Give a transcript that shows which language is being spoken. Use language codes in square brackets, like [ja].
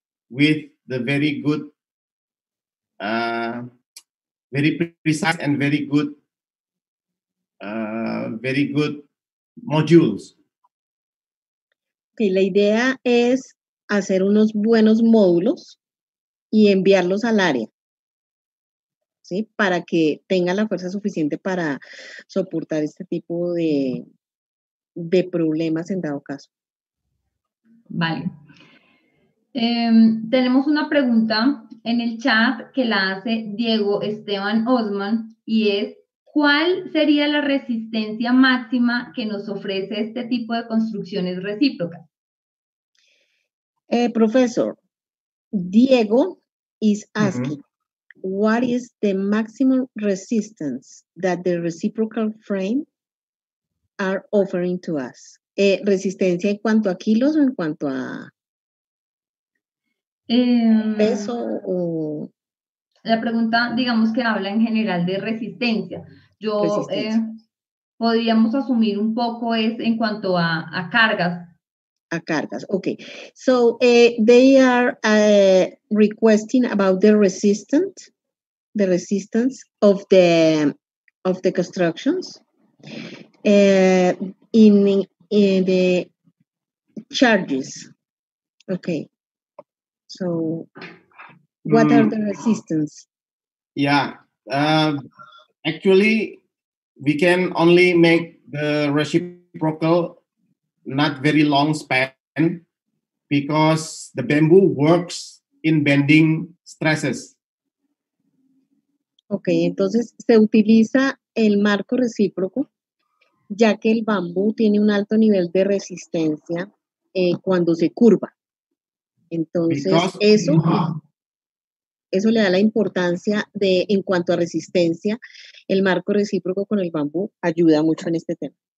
[en] With the very good, very precise and very good modules. [es] Okay, la idea es hacer unos buenos módulos y enviarlos al área, ¿sí? Para que tenga la fuerza suficiente para soportar este tipo de problemas en dado caso. Vale. Tenemos una pregunta en el chat que la hace Diego Esteban Osman y es, ¿cuál sería la resistencia máxima que nos ofrece este tipo de construcciones recíprocas? [en] Profesor, Diego is asking, mm-hmm. What is the maximum resistance that the reciprocal frame are offering to us? [es] ¿Resistencia en cuanto a kilos o en cuanto a...? Peso o la pregunta, digamos que habla en general de resistencia. Yo podríamos asumir un poco es en cuanto a cargas. A cargas, okay. [en] So they are requesting about the resistance of the constructions in the charges. Okay. So, what are the resistance? Yeah, actually, we can only make the reciprocal not very long span because the bamboo works in bending stresses. [es] Okay, entonces se utiliza el marco recíproco ya que el bambú tiene un alto nivel de resistencia cuando se curva. Entonces, eso le da la importancia de, en cuanto a resistencia, el marco recíproco con el bambú ayuda mucho en este tema.